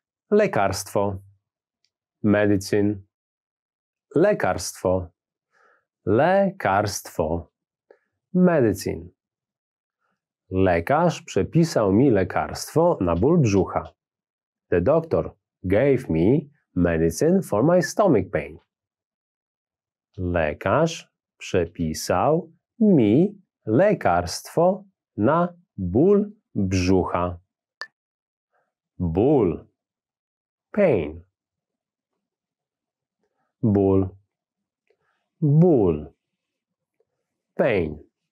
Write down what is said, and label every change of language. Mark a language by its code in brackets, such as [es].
[pl] Lekarstwo. Medicine. Lekarstwo. Lekarstwo. Medicine. Lekarz przepisał mi lekarstwo na ból brzucha. [en] The doctor gave me medicine for my stomach pain. [pl] Lekarz przepisał mi lekarstwo na ból brzucha. Ból. Pain. Ból. Ból. Pain.